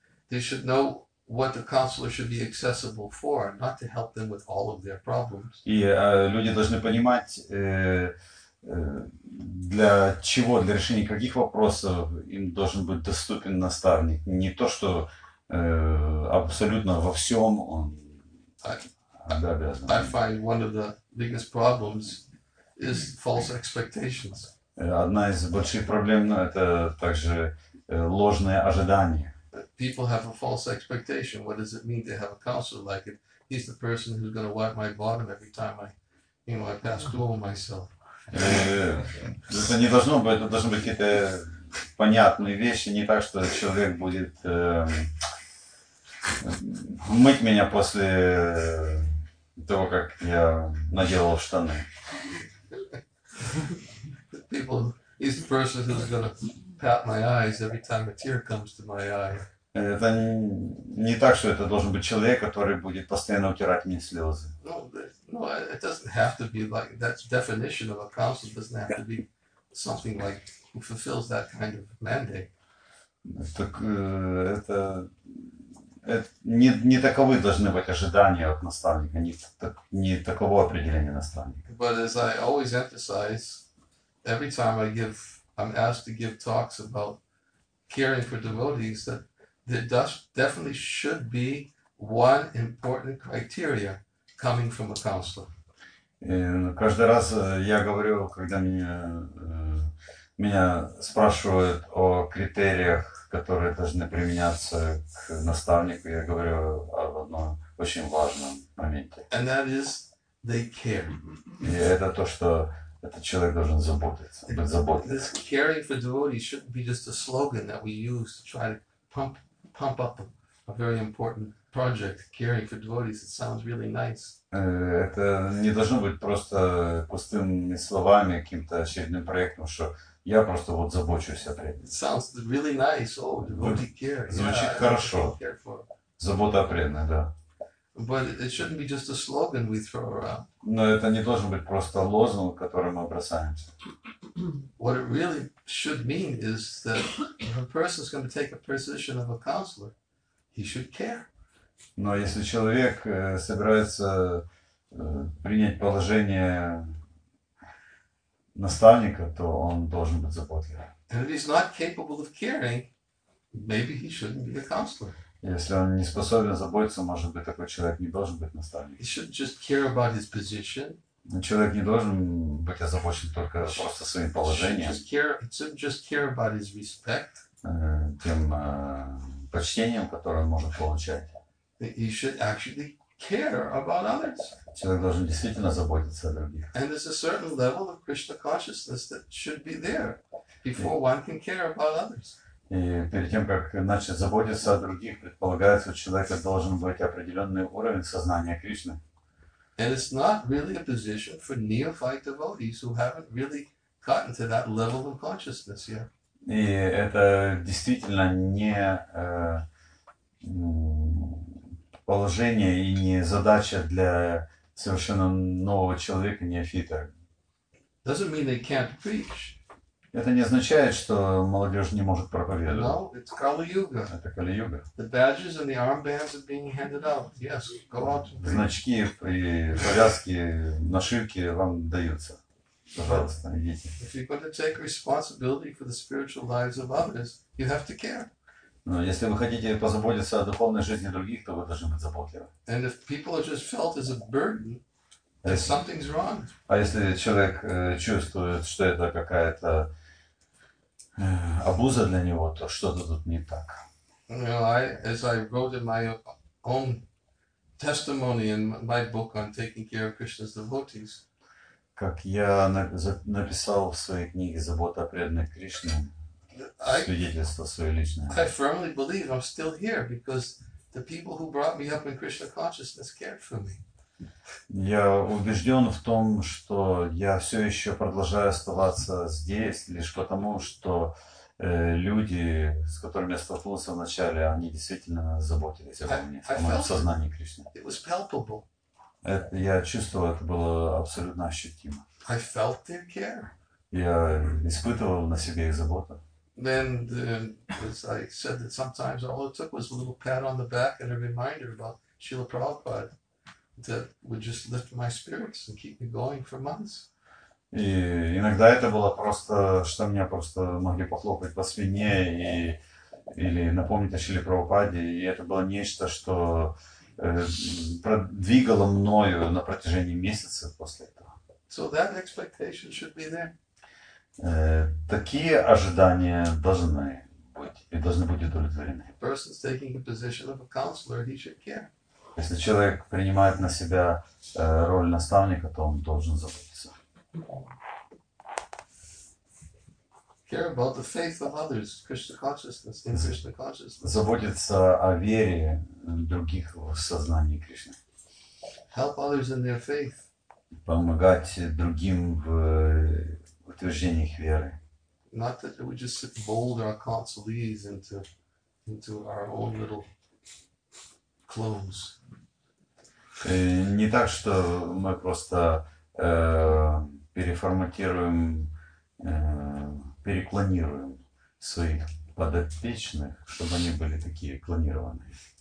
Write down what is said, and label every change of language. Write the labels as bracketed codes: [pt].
[en] They should know what the counselor should be accessible for, not to help them with all of their problems. [ru] И люди должны понимать, для чего, для решения каких вопросов им должен быть доступен наставник. Не то, что абсолютно во всем он обязан. [en] I find one of the biggest problems is false expectations. [ru] Одна из больших проблем это также ложные ожидания. [en] People have a false expectation. What does it mean to have a counselor like it? He's the person who's going to wipe my bottom every time I pass through myself. [ru] Это не должно быть, это должны быть какие-то понятные вещи, не так, что человек будет мыть меня после того, как я наделал штаны. [en] People is the person who's gonna pat my eyes every time a tear comes to my eye. [ru] Это не так, что это должен быть человек, который будет постоянно утирать мне слезы. [en] No, it doesn't have to be like that's definition of a counselor doesn't have to be something like who fulfills that kind of mandate. [ru] Так это не таковы должны быть ожидания от наставника, не такового определения наставника. [en] But as I always emphasize, every time I'm asked to give talks about caring for devotees, that there definitely should be one important criteria coming from a counselor. [ru] Каждый раз я говорю, когда меня спрашивают о критериях, которые должны применяться к наставнику, я говорю об одном очень важном моменте. [en] And that is they care. [ru] И это то, что этот человек должен заботиться, быть заботливым. [en] This caring for devotees shouldn't be just a slogan that we use to try to pump up a very important project. Caring for devotees, it sounds really nice. [ru] Это не должно быть просто пустыми словами, каким-то очередным проектом, что я просто вот забочусь о преданных. [en] Sounds really nice. Oh, devotee care. [ru] Звучит хорошо. [en] Care for. [ru] Забота о преданных, да. [en] But it shouldn't be just a slogan we throw around. [ru] Но это не должен быть просто лозунг, который мы бросаемся. [en] What it really should mean is that if a person is going to take a position of a counselor, he should care. [ru] Но если человек собирается принять положение наставника, то он должен быть заботливым. [en] And if he's not capable of caring, maybe he shouldn't be a counselor. [ru] Если он не способен заботиться, может быть, такой человек не должен быть наставником. [en] He should just care about his position. [ru] Человек не должен быть озабочен только просто своим положением. [en] He should just care about his respect. [ru] Тем почтением, которое он может получать. [en] He should actually care about others. [ru] Человек должен действительно заботиться о других. [en] And there's a certain level of Krishna consciousness that should be there before one can care about others. [ru] И перед тем, как начать заботиться о других, предполагается, у человека должен быть определенный уровень сознания Кришны. [en] And it's not really a position for neophyte devotees who haven't really gotten to that level of consciousness yet. [ru] И это действительно не положение и не задача для совершенно нового человека, неофита. [en] Doesn't mean they can't preach. [ru] Это не означает, что молодежь не может проповедовать. [en] No, it's Kali-Yuga. [ru] Это Кали-Юга. [en] The badges and the armbands are being handed out. Yes, go out. [ru] Значки и повязки, нашивки вам даются. Пожалуйста, идите. [en] If you're going to take responsibility for the spiritual lives of others, you have to care. [ru] Но если вы хотите позаботиться о духовной жизни других, то вы должны быть заботливы. [en] And if people are just felt as a burden, if something's wrong. [ru] А если человек чувствует, что это какая-то обуза для него, то что-то тут не так. [en] You know, as I wrote in my own testimony in my book on taking care of Krishna's devotees. [ru] Как я написал в своей книге «Забота о преданных Кришне», свидетельство свое личное. [en] I firmly believe I'm still here because the people who brought me up in Krishna consciousness cared for me. [ru] Я убежден в том, что я все еще продолжаю оставаться здесь, лишь потому, что люди, с которыми я столкнулся вначале, они действительно заботились обо мне, о моем сознании Кришны. [en] It was palpable. [ru] Я чувствовал, это было абсолютно ощутимо. [en] I felt their care. [ru] Я испытывал на себе их заботу. [en] And as I said, that sometimes all it took was a little pat on the back and a reminder about Srila Prabhupada. That would just lift my spirits and keep me going for months. [ru] И иногда это было просто, что меня просто могли похлопать по спине и или напомнить о Шриле Прабхупаде, и это было нечто, что продвигало мною на протяжении месяца после этого. [en] So that expectation should be there. [ru] Такие ожидания должны быть и должны быть удовлетворены. [en] A person taking the position of a counselor, he should care. [ru] Если человек принимает на себя роль наставника, то он должен заботиться. [en] care about the faith of others, Krishna consciousness, in Krishna consciousness. [ru] Заботиться о вере других в сознании Кришны. [en] Help others in their faith. [ru] Помогать другим в утверждениях веры. [en] Not that we just sit bold our consoles into our own little clones. [ru] Не так, что мы просто переформатируем, переклонируем своих подопечных, чтобы они были такие клонированные.